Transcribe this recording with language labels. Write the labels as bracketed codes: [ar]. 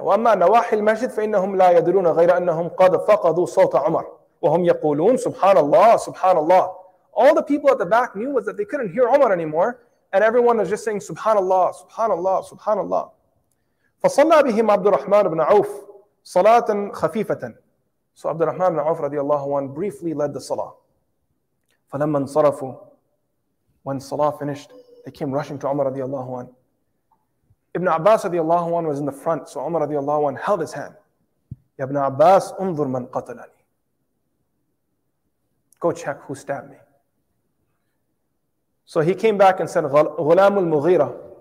[ar] وَأَمَّا نَوَاحِ الْمَسْجِدِ فَإِنَّهُمْ لَا يَدْرُونَ غَيْرَ أَنَّهُمْ قَدْ فَقَدُوا صَوْتَ عُمَرَ وَهُمْ يَقُولُونَ سُبْحَانَ اللَّهِ سُبْحَانَ اللَّهِ. [en] All the people at the back knew was that they couldn't hear Umar anymore, and everyone was just saying, "Subhanallah, Subhanallah, Subhanallah." [ar] فَصَلَّى بِهِمْ عَبْدُ الرَّحْمَنُ بْنَ عَوْفٍ صَلَاةً خَفِيفَةً. [en] So عبد الرحمن بن عوف رضي الله عنه briefly led the salah. [ar] فَلَمَّا انصَرَفُوا, [en] when salah finished, they came rushing to Umar رضي الله عنه. Ibn Abbas رضي الله عنه was in the front, so Umar رضي الله عنه held his hand. [ar] يَا ابْنَ عَبَّاسْ أُنْظُرْ مَنْ قَتَلَنِي. [en] Go check who stabbed me. So he came back and said, "Ghulam al-Mughira,"